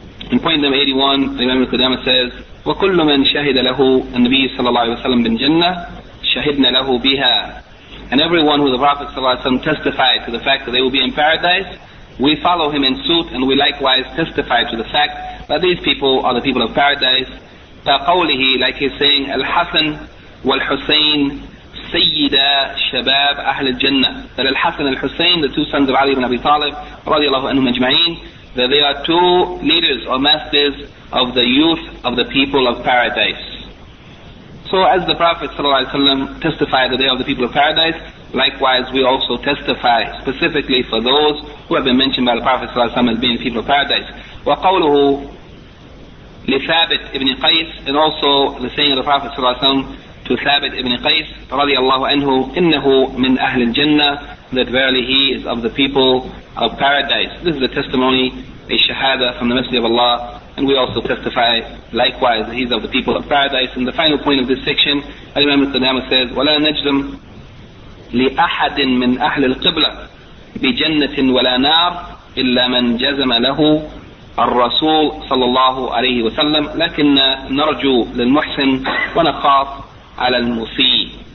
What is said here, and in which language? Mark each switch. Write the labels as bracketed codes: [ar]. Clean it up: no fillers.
[en] In point number 81, the Imam al-Qudama says, [ar] وكل من شهد له النبي صلى الله عليه وسلم بالجنة شهدنا له بها. [en] And everyone who the Prophet صلى الله عليه وسلم testified to the fact that they will be in paradise, we follow him in suit, and we likewise testify to the fact that these people are the people of paradise. [ar] فقوله, [en] like he's saying, [ar] الحسن والحسين سيدا شباب أهل الجنة. [en] That الحسن والحسين, the two sons of Ali ibn Abi Talib رضي الله عنهم أجمعين, that they are two leaders or masters of the youth of the people of paradise. So as the Prophet ﷺ testified that they are the people of paradise, likewise we also testify specifically for those who have been mentioned by the Prophet ﷺ as being people of paradise. [ar] وَقَوْلُهُ لِثَابِتْ [en] ibn Qais, and also the saying of the Prophet ﷺ to Thabit ibn Qais رضي الله عنه, [ar] إِنَّهُ مِنْ أَهْلِ الْجَنَّةِ, [en] that verily he is of the people of paradise. This is a testimony, a shahada from the Messenger of Allah, and we also testify likewise that he's of the people of paradise. And the final point of this section, Al-Imam al-Qudama says, [ar] وَلَا نَجْزُمْ لِأَحَدٍ مِنْ أَهْلِ الْقِبْلَةِ بِجَنَّةٍ وَلَا نَارٍ إِلَّا مَنْ جَزَمَ لَهُ الرَّسُولُ صَلَّى اللَّهُ عَلَيْهِ وَسَلَّمُ لَكِنَّ نَرْجُو لِلْمُحْسِنِ وَنَخَافُ عَلَى الْمُسِيِّ.